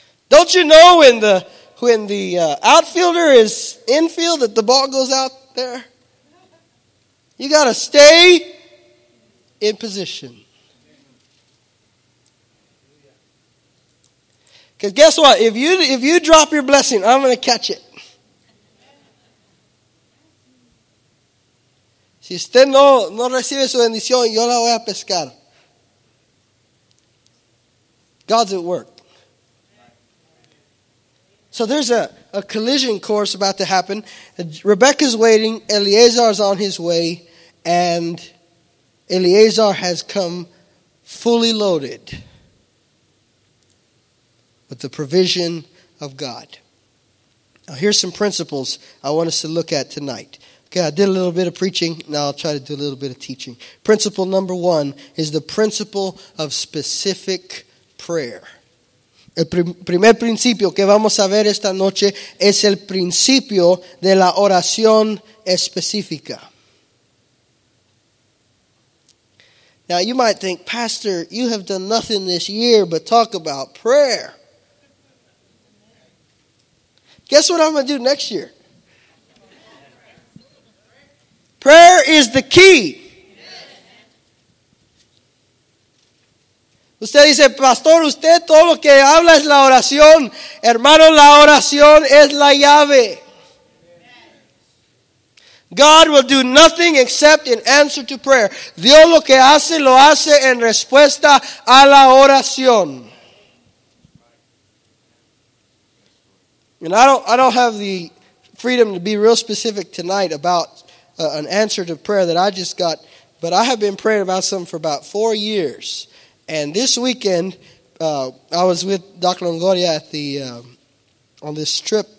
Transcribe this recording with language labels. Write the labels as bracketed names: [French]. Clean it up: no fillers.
[English] Don't you know when the outfielder is infield that the ball goes out there? You got to stay in position. Because guess what? If you drop your blessing, I'm going to catch it. [Spanish] Si usted no recibe su bendición, yo la voy a pescar. [English] God's at work. So there's a collision course about to happen. Rebecca's waiting. Eleazar's on his way. And Eleazar has come fully loaded with the provision of God. Now here's some principles I want us to look at tonight. Okay, I did a little bit of preaching. Now I'll try to do a little bit of teaching. Principle number one is the principle of specific prayer. [Spanish] El primer principio que vamos a ver esta noche es el principio de la oración específica. [English] Now you might think, Pastor, you have done nothing this year but talk about prayer. Guess what I'm going to do next year? Prayer is the key. [Spanish] Usted dice, Pastor, usted todo lo que habla es la oración. Hermano, la oración es la llave. [English] God will do nothing except in answer to prayer. [Spanish] Dios lo hace en respuesta a la oración. [English] And I don't have the freedom to be real specific tonight about an answer to prayer that I just got, but I have been praying about something for about 4 years. And this weekend, I was with Dr. Longoria at the on this trip.